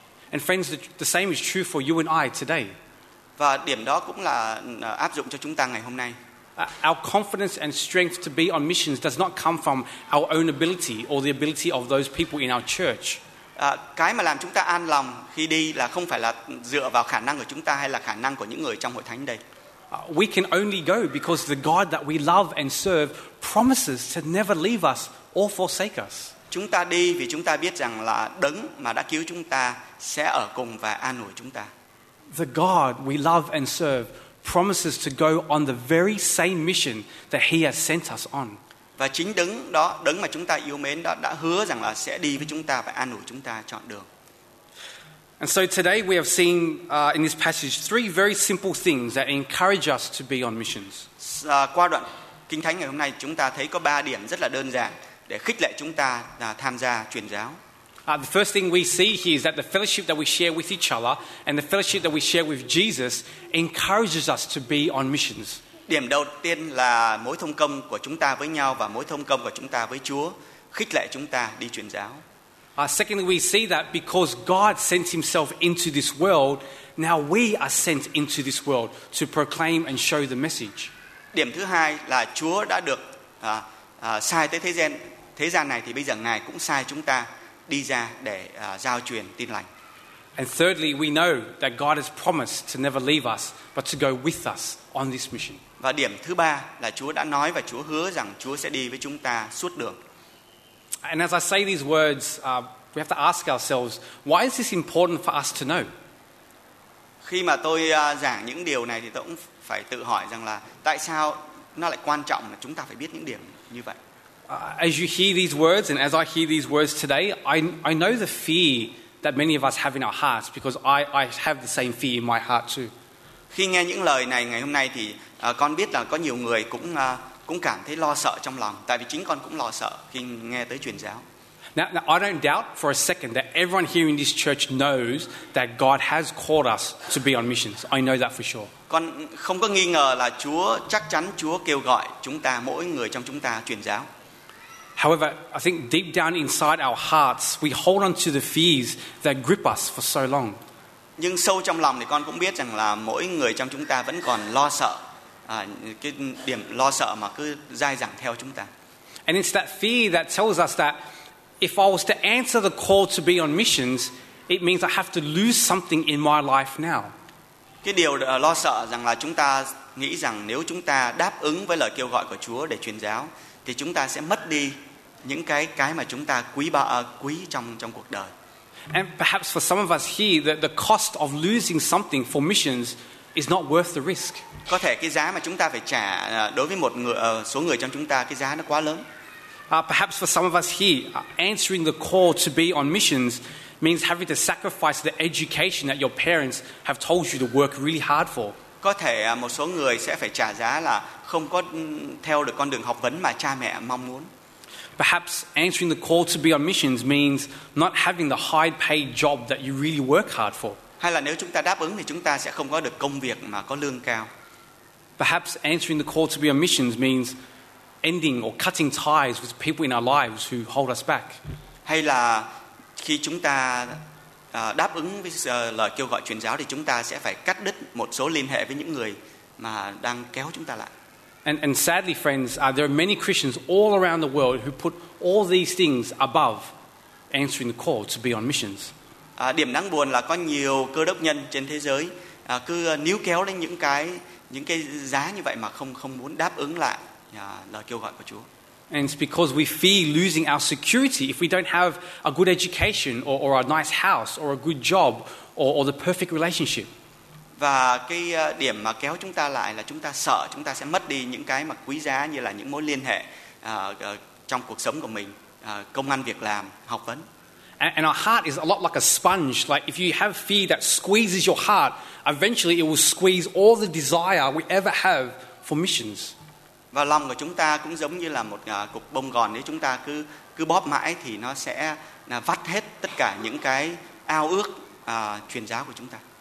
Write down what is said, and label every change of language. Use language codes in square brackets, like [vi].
[en] And friends, the same is true for you and I today. [vi] Và điểm đó cũng là áp dụng cho chúng ta ngày hôm nay. [en] Our confidence and strength to be on missions does not come from our own ability or the ability of those people in our church. [vi] Cái mà làm chúng ta an lòng khi đi là không phải là dựa vào khả năng của chúng ta hay là khả năng của những người trong hội thánh đây. [en] We can only go because the God that we love and serve promises to never leave us or forsake us. [vi] Chúng ta đi vì chúng ta biết rằng là đấng mà đã cứu chúng ta sẽ ở cùng và an ủi chúng ta. [en] The God we love and serve promises to go on the very same mission that he has sent us on. [vi] Và chính đấng đó, đấng mà chúng ta yêu mến đó đã hứa rằng là sẽ đi với chúng ta và an ủi chúng ta chọn đường. [en] And so today we have seen in this passage three very simple things that encourage us to be on missions. [vi] Qua đoạn Kinh Thánh ngày hôm nay chúng ta thấy có ba điểm rất là đơn giản để khích lệ chúng ta tham gia truyền giáo. [en] The first thing we see here is that the fellowship that we share with each other and the fellowship that we share with Jesus encourages us to be on missions. [vi] Điểm đầu tiên là mối thông công của chúng ta với nhau và mối thông công của chúng ta với Chúa khích lệ chúng ta đi truyền giáo. [en] Secondly, we see that because God sent himself into this world, now we are sent into this world to proclaim and show the message. [vi] Điểm thứ hai là Chúa đã được sai tới thế gian này thì bây giờ Ngài cũng sai chúng ta đi ra để giao truyền tin lành. [en] And thirdly, we know that God has promised to never leave us, but to go with us on this mission. [vi] Và điểm thứ ba là Chúa đã nói và Chúa hứa rằng Chúa sẽ đi với chúng ta suốt đường. [en] And as I say these words, we have to ask ourselves, why is this important for us to know? [vi] Khi mà tôi giảng những điều này thì tôi cũng phải tự hỏi rằng là tại sao nó lại quan trọng mà chúng ta phải biết những điểm như vậy. [en] As you hear these words and as I hear these words today, I know the fear that many of us have in our hearts, because I have the same fear in my heart too. [vi] Khi nghe những lời này ngày hôm nay thì con biết là có nhiều người cũng cảm thấy lo sợ trong lòng, tại vì chính con cũng lo sợ khi nghe tới truyền giáo. [en] Now, I don't doubt for a second that everyone here in this church knows that God has called us to be on missions. I know that for sure. [vi] Con không có nghi ngờ là Chúa chắc chắn Chúa kêu gọi chúng ta, mỗi người trong chúng ta truyền giáo. [en] However, I think deep down inside our hearts, we hold on to the fears that grip us for so long. [vi] Nhưng sâu trong lòng thì con cũng biết rằng là mỗi người trong chúng ta vẫn còn lo sợ, cái điểm lo sợ mà cứ dai dẳng theo chúng ta. [en] And it's that fear that tells us that if I was to answer the call to be on missions, it means I have to lose something in my life now. [vi] Cái điều lo sợ rằng là chúng ta nghĩ rằng nếu chúng ta đáp ứng với lời kêu gọi của Chúa để truyền giáo, thì chúng ta sẽ mất đi những cái mà chúng ta quý trong cuộc đời. [en] And perhaps for some of us here, the cost of losing something for missions is not worth the risk. [vi] Có thể cái giá mà chúng ta phải trả đối với một người, số người trong chúng ta, cái giá nó quá lớn. [en] Perhaps for some of us here, answering the call to be on missions means having to sacrifice the education that your parents have told you to work really hard for. [vi] Có thể một số người sẽ phải trả giá là không có theo được con đường học vấn mà cha mẹ mong muốn. [en] Perhaps answering the call to be on missions means not having the high-paid job that you really work hard for. [vi] Hay là nếu chúng ta đáp ứng thì chúng ta sẽ không có được công việc mà có lương cao. [en] Perhaps answering the call to be on missions means ending or cutting ties with people in our lives who hold us back. [vi] Hay là khi chúng ta đáp ứng với lời kêu gọi truyền giáo thì chúng ta sẽ phải cắt đứt một số liên hệ với những người mà đang kéo chúng ta lại. [en] And sadly, friends, there are many Christians all around the world who put all these things above answering the call to be on missions. [vi] Điểm đáng buồn là có nhiều Cơ đốc nhân trên thế giới cứ níu kéo đến những cái giá như vậy mà không muốn đáp ứng lại lời kêu gọi của Chúa. [en] And it's because we fear losing our security if we don't have a good education or a nice house or a good job or the perfect relationship. [vi] Và cái điểm mà kéo chúng ta lại là chúng ta sợ chúng ta sẽ mất đi những cái mà quý giá như là những mối liên hệ trong cuộc sống của mình, công ăn việc làm, học vấn. [en] And our heart is a lot like a sponge. Like if you have fear that squeezes your heart, eventually it will squeeze all the desire we ever have for missions. [vi] Và lòng của chúng ta cũng giống như là một cục bông gòn, nếu chúng ta cứ bóp mãi thì nó sẽ vắt hết tất cả những cái ao ước truyền giáo của chúng ta.